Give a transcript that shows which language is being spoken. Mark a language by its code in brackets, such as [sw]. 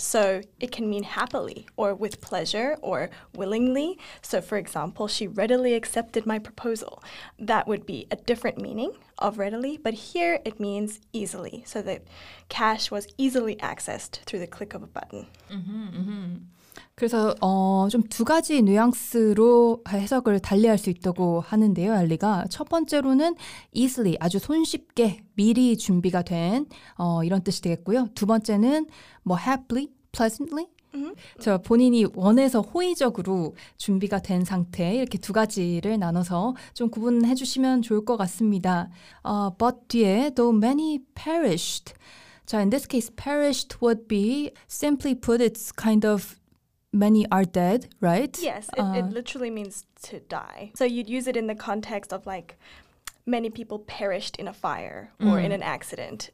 [en] So, it can mean happily or with pleasure or willingly. So, for example, she readily accepted my proposal. That would be a different meaning of readily, but here it means easily, so that cash was easily accessed through the click of a button. Mm-hmm. [ko] 그래서 좀 두 가지 뉘앙스로 해석을 달리할 수 있다고 하는데요, 알리가. 첫 번째로는 easily, 아주 손쉽게 미리 준비가 된 이런 뜻이 되겠고요. 두 번째는 뭐 happily, pleasantly. Mm-hmm. 저 본인이 원해서 호의적으로 준비가 된 상태 이렇게 두 가지를 나눠서 좀 구분해 주시면 좋을 것 같습니다. [en] But 뒤에 though many perished. 자, in this case, perished would be simply put, it's kind of many are dead, right? Yes, it literally means to die. So you'd use it in the context of like many people perished in a fire or in an accident.